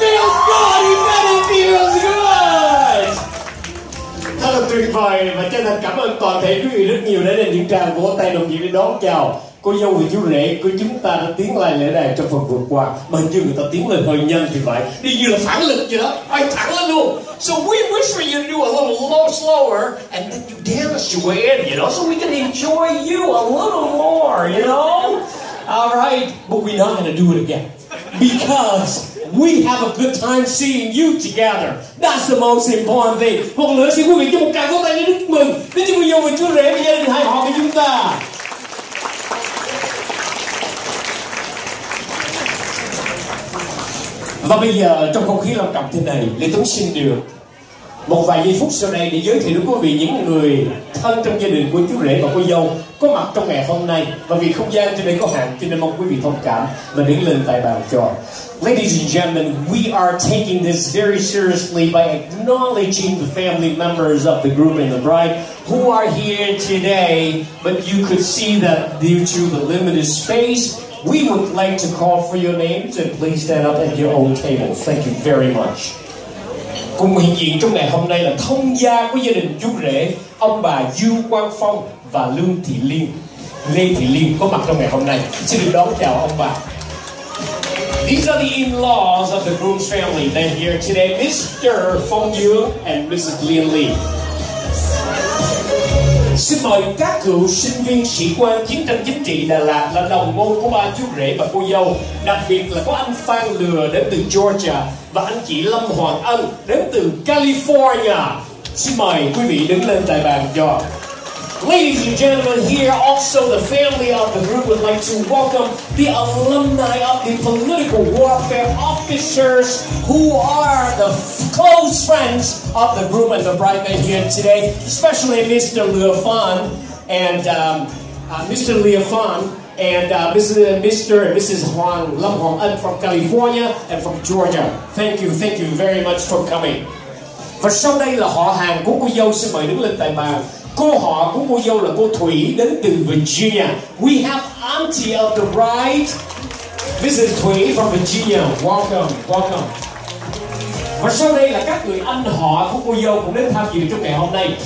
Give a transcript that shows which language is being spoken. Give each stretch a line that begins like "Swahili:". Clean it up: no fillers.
English: Feels good! You bet it feels good! The
Vietnamese: rất là tuyệt vời và chân thành cảm ơn toàn thể quý vị rất nhiều đã dành những tràng vỗ tay đồng nhiệt để đón chào cô dâu và chú rể của chúng ta đã tiến lại lễ đài trong phần vừa qua. Mà như người ta tiến lên hơi nhanh thì phải, đi như là phản lực vậy đó, phải thẳng lên luôn.
English: So we wish for you to do a little slower and then you dance your way in, you know, so we can enjoy you a little more, you know. All right, but we're not going to do it again because we have a good time seeing you together. That's the most important thing.
Vietnamese: Một lần nữa xin quý vị cho một tràng vỗ tay để chúc mừng đến cho cô dâu và chú rể và gia đình hai họ của chúng ta. Và bây giờ trong không khí lòng trọng thế này, Lê Tuấn xin được một vài giây phút sau đây để giới thiệu đến quý vị những người thân trong gia đình của chú rể và cô dâu có mặt trong ngày hôm nay. Và vì không gian trên đây có hạn, cho nên mong quý vị thông cảm và đứng lên tại bàn cho.
English: Ladies and gentlemen, we are taking this very seriously by acknowledging the family members of the groom and the bride who are here today. But you could see that due to the limited space, we would like to call for your names and please stand up at your own table. Thank you very much.
Vietnamese: Cùng hiện diện trong ngày hôm nay là thông gia của gia đình chú rể, ông bà Dương Quang Phong và Lương Thị Liên. Lê Thị Liên có mặt trong ngày hôm nay. Xin được đón chào ông bà.
English: These are the in-laws of the groom's family. They're here today, Mr. Phong Yu and Mrs. Liên Lee.
Vietnamese: Xin mời các cựu sinh viên sĩ quan chiến tranh chính trị Đà Lạt là đồng môn của ba chú rể và cô dâu, đặc biệt là có anh Phan Lừa đến từ Georgia và anh chị Lâm Hoàng Ân đến từ California. Xin mời quý vị đứng lên tại bàn cho.
English: Ladies and gentlemen, here also the family of the group would like to welcome the alumni of the political warfare officers who are the close friends of the groom and the bride that here today, especially Mr. Leo Phan and Mr. Leo Phan and Mr. and Mrs. Huang Lam Huang Ân from California and from Georgia. Thank you very much for coming.
Vietnamese: Và sau đây là họ hàng của cô dâu, xin mời đứng lên tại bàn. Cô họ của cô dâu là cô Thủy đến từ Virginia.
English: We have auntie of the bride. This is Thủy from Virginia. Welcome.
Vietnamese: Và sau đây là các người anh họ của cô dâu cũng đến tham dự trong ngày hôm nay.